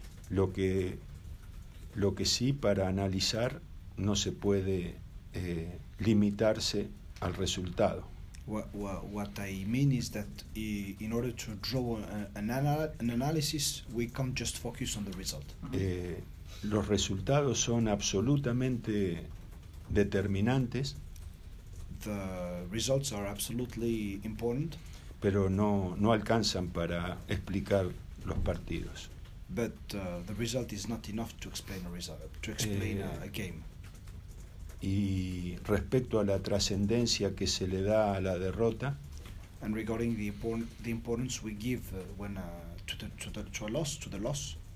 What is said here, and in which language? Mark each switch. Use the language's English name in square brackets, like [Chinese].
[Spanish] Lo que sí, para analizar, no se puede limitarse al resultado. [English] What I mean is that in order to draw an analysis, we can't just focus on the result. [Spanish] Los resultados son absolutamente determinantes. [English] The results are absolutely important. [Spanish] Pero no alcanzan para explicar los partidos. [English] But the result is not enough to explain a result, to explain a game. [Spanish] Y respecto a la trascendencia que se le da a la derrota, [English] and regarding the importance we give when to the loss,